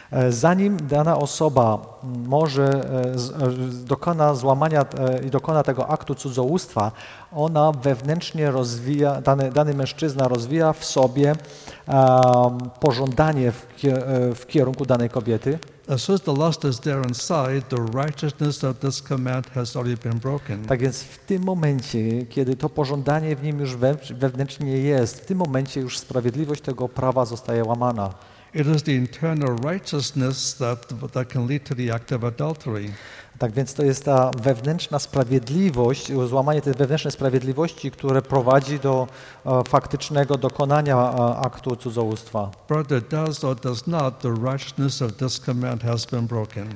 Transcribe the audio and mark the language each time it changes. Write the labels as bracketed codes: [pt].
[pl] Zanim dana osoba może dokona złamania i dokona tego aktu cudzołóstwa, ona wewnętrznie rozwija, dany mężczyzna rozwija w sobie pożądanie w kierunku danej kobiety. [en] As soon as the lust is there inside, the righteousness of this command has already been broken. [pl] Tak więc w tym momencie, kiedy to pożądanie w nim już wewnętrznie jest, w tym momencie już sprawiedliwość tego prawa zostaje łamana. [en] It is the internal righteousness that can lead to the act of adultery. [pl] Tak więc to jest ta wewnętrzna sprawiedliwość, złamanie tej wewnętrznej sprawiedliwości, które prowadzi do faktycznego dokonania aktu cudzołóstwa. [en] Whether does or does not, the righteousness of this command has been broken.